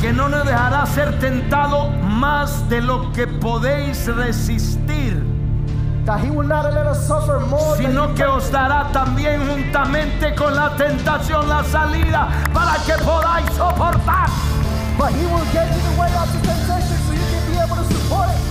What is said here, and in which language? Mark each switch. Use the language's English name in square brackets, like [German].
[Spanish] Que no nos dejará ser tentado más de lo que podéis resistir. [English] That he will not let us suffer more, [Spanish] sino [English] than [Spanish] que os dará también juntamente con la tentación la salida para que podáis soportar. [English] But he will get in the way of the temptation so you can be able to support it.